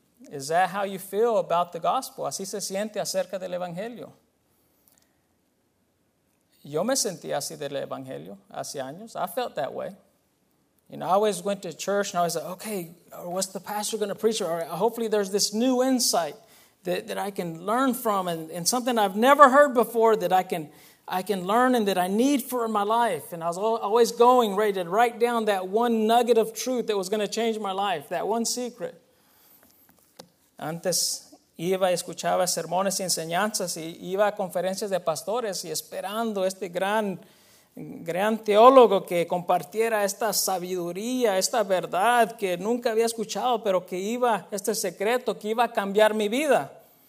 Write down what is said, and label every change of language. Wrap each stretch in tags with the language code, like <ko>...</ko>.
<en>Is that how you feel about the gospel?</en> <es>Así se siente acerca del evangelio. Yo me sentí así del evangelio hace años.</es> <en>I felt that way. You know, I always went to church and I was like, okay, what's the pastor going to preach? Or hopefully there's this new insight that I can learn from and something I've never heard before that I can learn and that I need for my life. And I was always going ready to write down that one nugget of truth that was going to change my life, that one secret.</en> <es>Antes iba y escuchaba sermones y enseñanzas y iba a conferencias de pastores y esperando este gran teólogo que compartiera esta sabiduría, esta verdad que nunca había escuchado, pero que iba, este secreto, que iba a cambiar mi vida.</es>